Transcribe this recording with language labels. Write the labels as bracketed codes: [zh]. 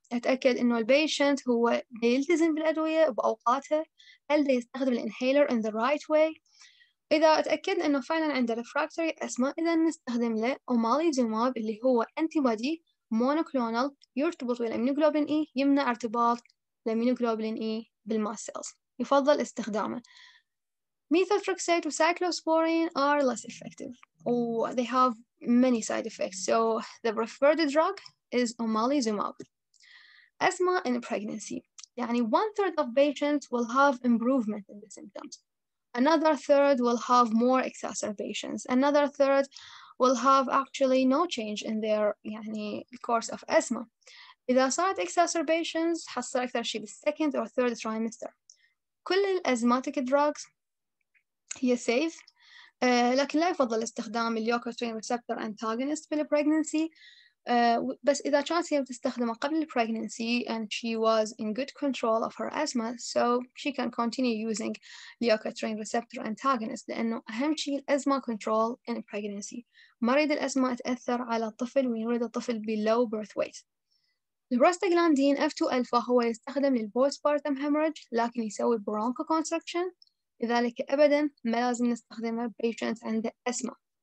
[ar] أتأكد إنه البيشنت هو يلتزم بالأدوية بأوقاته، هل يستخدم الانهيلر [en] in the right way. [ar] إذا أتأكد إنه فعلاً عنده refractory asthma إذا نستخدم له omalizumab اللي هو antibody monoclonal يرتبط بالأمينوغلوبين E يمنع ارتباط الأمينوغلوبين E بالmast cells، يفضل استخدامه. [en] Methotrexate وcyclosporine are less effective they have many side effects, so the preferred drug is omalizumab. asthma in pregnancy. Yani one third of patients will have improvement in the symptoms. Another third will have more exacerbations. Another third will have actually no change in their [ar] يعني, [en] course of asthma. [ar] إذا صارت exacerbations, حصل أكثر شيء بال [en] second or third trimester. [ar] كل الـ asthmatic drugs هي safe, لكن لا يفضل استخدام الليوكوترين receptor antagonist في pregnancy. بس إذا كانت هي بتستخدمه قبل [en] pregnancy and she was in good control of her asthma, so she can continue using leukotriene receptor antagonist [ar] لأنه أهم شيء الأزمة [en] control in pregnancy. [ar] ما يريد الأزمة تأثر على الطفل ويريد الطفل below birth weight. البروستاجلاندين F2 ألفا هو يستخدم للpostpartum hemorrhage لكن يسوي bronchoconstriction, لذلك أبدا ما لازم نستخدمه patients عند asthma.